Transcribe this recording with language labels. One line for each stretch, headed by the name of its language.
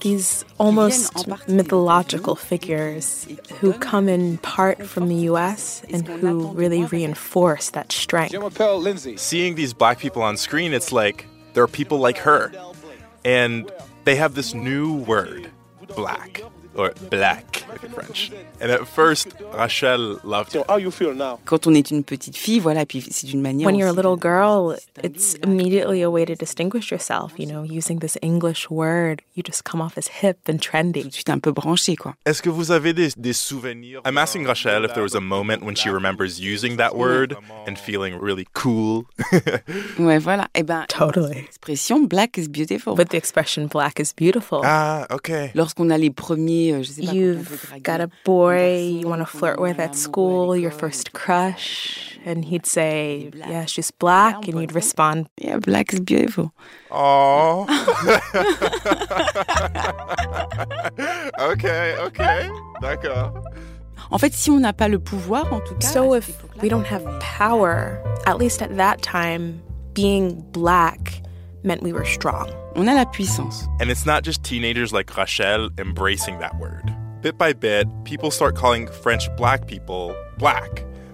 English: These almost mythological figures who come in part from the U.S. and who really reinforce that strength. Seeing these black people on screen, it's like there are people like her. And they have this new word, black, or black in French. And at first, Rachel loved it. So how you feel now?
French: Quand on est une petite fille, voilà, puis c'est d'une manière.
English: When you're a little girl, it's immediately a way to distinguish yourself. You know, using this English word, you just come off as hip and trendy.
French: Tout de suite un peu branché, quoi. Est-ce que vous avez des souvenirs?
English: I'm asking Rachel if there was a moment when she remembers using that word and feeling really cool.
French: Ouais, voilà. Eh ben,
English: totally. Expression black is beautiful. But the expression black is beautiful. Ah, okay.
French: Lorsqu'on a les premiers, je sais pas.
English: You've got a boy you want to flirt with at school, your first crush, and he'd say, yeah, she's black, and you'd respond, yeah, black is beautiful. Aww. Okay, okay. D'accord.
French: En fait, si on n'a pas le pouvoir, en tout cas...
English: So if we don't have power, at least at that time, being black meant we were strong.
French: On a la puissance.
English: And it's not just teenagers like Rachel embracing that word. Bit by bit, people start calling French black people black.